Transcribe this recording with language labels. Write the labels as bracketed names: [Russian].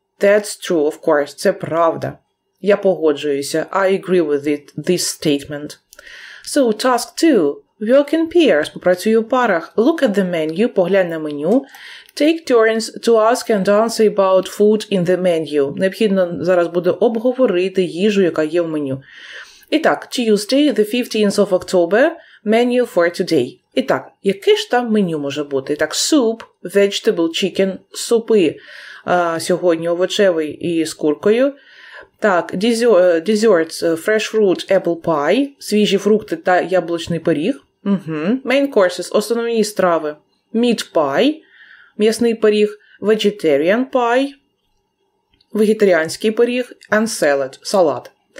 [English] That's true, of course. [Ukrainian] Це правда. Я погоджуюся. [English] I agree with this statement. So, task 2. Work in pairs. [Ukrainian] Попрацюй у парах. [English] Look at the menu. [Ukrainian] Поглянь на меню. [English] Take turns to ask and answer about food in the menu. [Ukrainian] Необхідно зараз буде обговорити їжу, яка є в меню. [English] І так, Tuesday, the 15th of October, menu for today. [Ukrainian] І так, яке ж там меню може бути? Так, суп, vegetable, chicken, супи сьогодні овочевий і з куркою. Так, [English] desserts, fresh fruit, apple pie, [Ukrainian] свіжі фрукти та яблучний пиріг. Угу. [English] Main courses, [Ukrainian] основні страви. [English] Meat pie, [Ukrainian] м'ясний пиріг, [English] vegetarian pie, [Ukrainian] вегетаріанський пиріг, [English] and salad, салат.